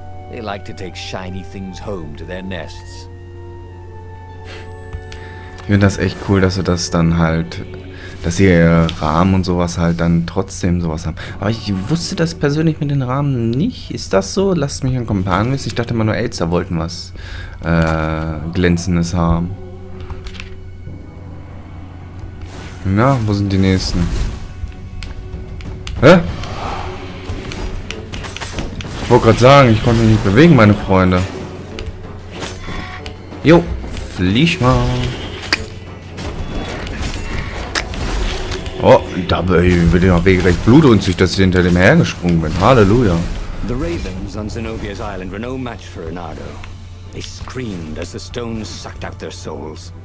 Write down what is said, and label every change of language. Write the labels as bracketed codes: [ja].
[en] They like to take shiny things home to their nests. [de] Ich finde das echt cool, dass sie das dann halt, dass sie Rahmen und sowas halt dann trotzdem sowas haben. Aber ich wusste das persönlich mit den Rahmen nicht. Ist das so? Lasst mich einen Kommentar wissen. Ich dachte immer nur Elster wollten was Glänzendes haben. Na, wo sind die nächsten? Hä? Ich wollte gerade sagen, ich konnte mich nicht bewegen, meine Freunde. Jo, flieh mal. Oh, da wird ja regelrecht blutrünstig, dass ich hinter dem hergesprungen bin. Halleluja. [en] The ravens on Zenobia's island were no match for Renardo. They screamed as the stones sucked out their souls.